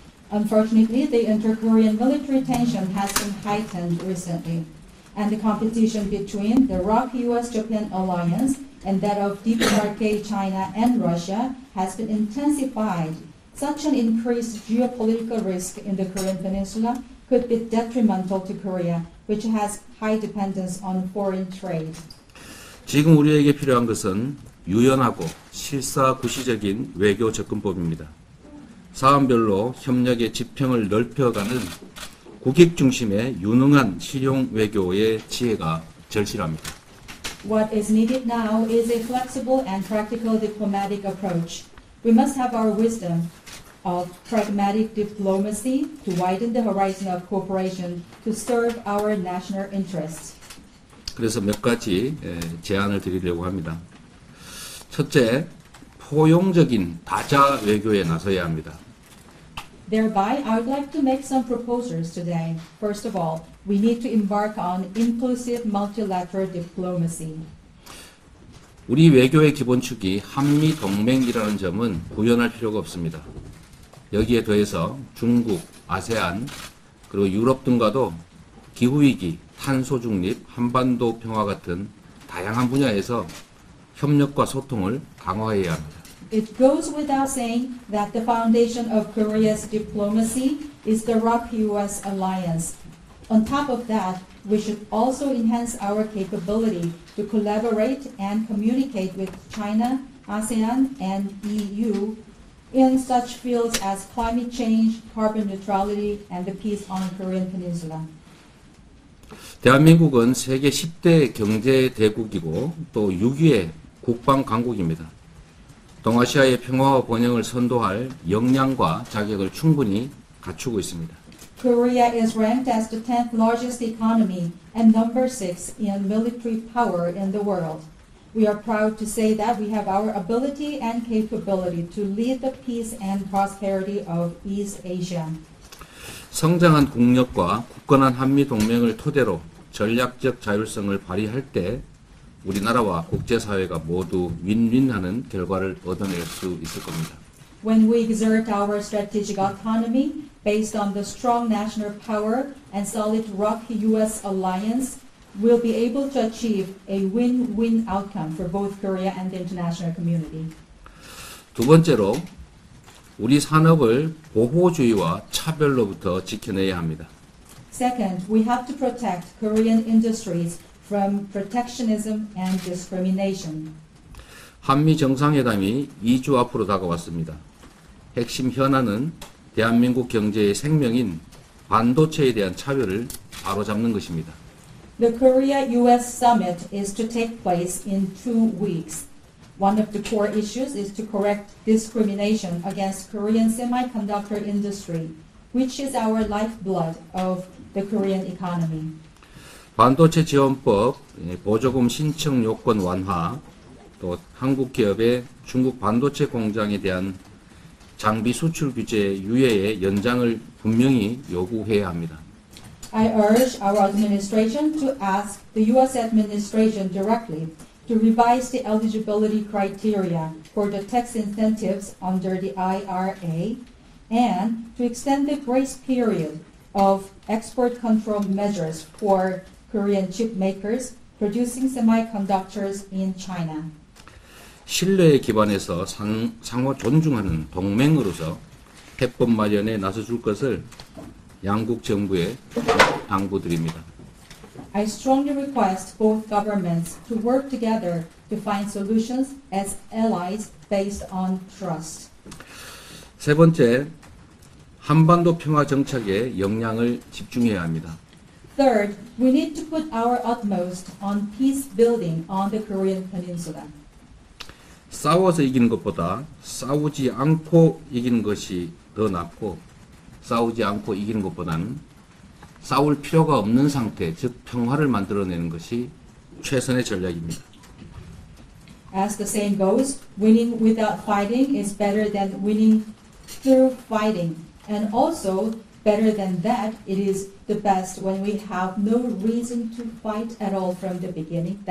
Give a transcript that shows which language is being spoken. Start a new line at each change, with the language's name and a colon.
English: Unfortunately, the inter-Korean military tension has been heightened recently, and the competition between the ROC-US-Japan alliance and that of DPRK China and Russia has been intensified Such an increased geopolitical risk in the Korean Peninsula could be detrimental to Korea, which has high dependence on foreign trade.
Korean: 지금 우리에게 필요한 것은 유연하고 실사구시적인 외교 접근법입니다. 사안별로 협력의 지평을 넓혀가는 국익 중심의 유능한 실용 외교의 지혜가 절실합니다.
English: What is needed now is a flexible and practical diplomatic approach. We must have our wisdom of pragmatic diplomacy to widen the horizon of cooperation to serve our national interests.
Korean: 그래서 몇 가지 제안을 드리려고 합니다. 첫째, 포용적인 다자 외교에 나서야 합니다.
English: Thereby, I would like to make some proposals today. First of all, we need to embark on inclusive multilateral diplomacy.
Korean: 우리 외교의 기본축이 한미동맹이라는 점은 부연할 필요가 없습니다. 여기에 더해서 중국, 아세안, 그리고 유럽 등과도 기후위기, 탄소중립, 한반도 평화 같은 다양한 분야에서 협력과 소통을 강화해야 합니다.
English: It goes without saying that the foundation of Korea's diplomacy is the ROC-US alliance. On top of that, we should also enhance our capability to collaborate and communicate with China, ASEAN, and EU in such fields as climate change, carbon neutrality, and the peace on the Korean Peninsula.
Korean: 대한민국은 세계 10대 경제 대국이고 또 6위의 국방 강국입니다. 동아시아의 평화와 번영을 선도할 역량과 자격을 충분히 갖추고 있습니다.
English: Korea is ranked as the 10th largest economy and number 6 in military power in the world. We are proud to say that we have our ability and capability to lead the peace and prosperity of East Asia.
Korean: 성장한 국력과 굳건한 한미동맹을 토대로 전략적 자율성을 발휘할 때 우리나라와 국제사회가 모두 윈윈하는 결과를 얻어낼 수 있을 겁니다.
English: When we exert our strategic autonomy based on the strong national power and solid ROC-US alliance, we'll be able to achieve a win-win outcome for both Korea and the international community.
Korean: 두 번째로, 우리 산업을 보호주의와 차별로부터 지켜내야 합니다.
English: Second, we have to protect Korean industries from protectionism and discrimination.
Korean: 한미 정상회담이 2주 앞으로 다가왔습니다. 핵심 현안은 대한민국 경제의 생명인 반도체에 대한 차별을 바로잡는 것입니다.
English: The Korea-US summit is to take place in 2 weeks. One of the core issues is to correct discrimination against Korean semiconductor industry, which is our lifeblood of the Korean economy.
Korean: 반도체 지원법, 보조금 신청 요건 완화, 또 한국 기업의 중국 반도체 공장에 대한 장비 수출 규제 유예의 연장을 분명히 요구해야 합니다.
English: I urge our administration to ask the U.S. administration directly to revise the eligibility criteria for the tax incentives under the IRA and to extend the grace period of export control measures for Korean chip makers producing semiconductors in China.
Korean: 신뢰에 기반해서 상호 존중하는 동맹으로서 해법 마련에 나서줄 것을 양국 정부에 당부드립니다.
English: I strongly request both governments to work together to find solutions as allies based on trust.
Korean: 세 번째, 한반도 평화 정착에 역량을 집중해야 합니다.
English: Third, we need to put our utmost on peace building on the Korean Peninsula.
Korean: 싸워서 이기는 것보다 싸우지 않고 이기는 것이 더 낫고 싸우지 않고 이기는 것보다는 싸울 필요가 없는 상태, 즉 평화를 만들어내는 것이 최선의 전략입니다.
English: As the saying goes, winning without fighting is better than winning through fighting, and also better than that, it is the best when we have no reason to fight at all from the beginning.